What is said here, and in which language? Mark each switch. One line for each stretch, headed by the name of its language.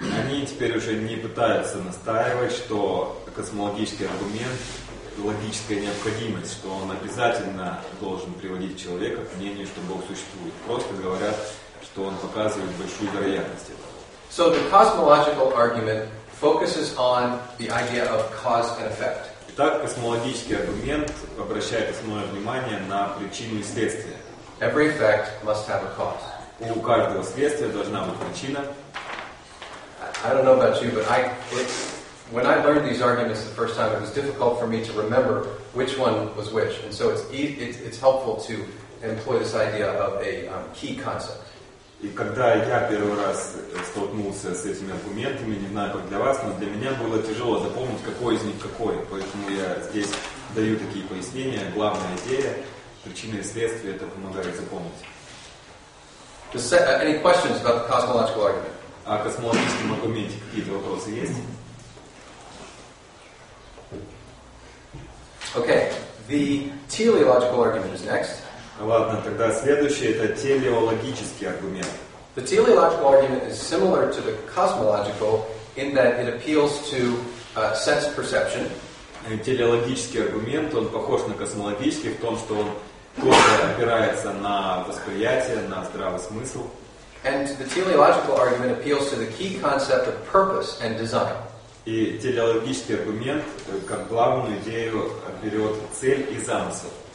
Russian: Они теперь уже не пытаются настаивать, что космологический аргумент логическая необходимость, что он обязательно должен приводить человека к мнению, что Бог существует. Просто говорят, что он показывает большую вероятность этого.
English: So the cosmological argument focuses on the idea of cause and effect.
Russian: Итак, космологический аргумент обращает основное внимание на причину и следствие.
English: Every effect must have a cause.
Russian: И у каждого следствия должна быть причина.
English: I don't know about you, but when I learned these arguments the first time, it was difficult for me to remember which one was which. And so it's helpful to employ this idea of a key concept.
Russian: И когда я первый раз столкнулся с этими аргументами, не знаю, как для вас, но для меня было тяжело запомнить, какой из них какой. Поэтому я здесь даю такие пояснения. Главная идея, причина и следствие, это помогает запомнить.
English: Any questions about the cosmological argument?
Russian: О космологическом аргументе какие-то вопросы есть?
English: Okay, the teleological argument is next.
Russian: Ладно, тогда следующее это телеологический аргумент.
English: The teleological argument is similar to the cosmological in that it appeals to sense perception.
Russian: Телеологический аргумент, он похож на космологический в том, что он тоже опирается на восприятие, на здравый смысл.
English: And the teleological argument appeals to the key concept of purpose and design.
Russian: И телеологический аргумент как главную идею берет цель и замысел.